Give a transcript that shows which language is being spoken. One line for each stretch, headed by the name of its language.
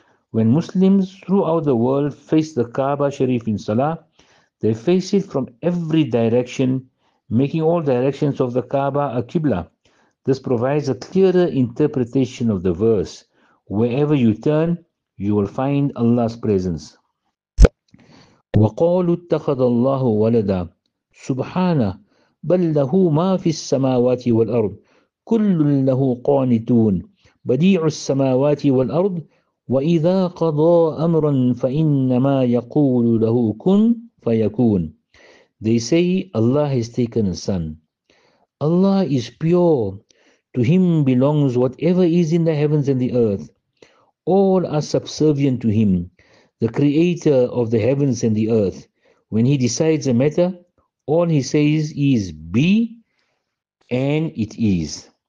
English: When Muslims throughout the world face the Kaaba Sharif in Salah, they face it from every direction, making all directions of the Kaaba a Qibla. This provides a clearer interpretation of the verse. Wherever you turn, you will find Allah's presence.
Arabic: وقالوا اتخذ الله ولدا سبحانه بل له ما في السماوات والأرض كل له قانتون بديع السماوات والأرض وإذا قضى أمرا فإنما يقول له كن فيكون.
English: They say Allah has taken a son. Allah is pure. To him belongs whatever is in the heavens and the earth. All are subservient to him, the creator of the heavens and the earth. When he decides a matter, all he says is be, and it is.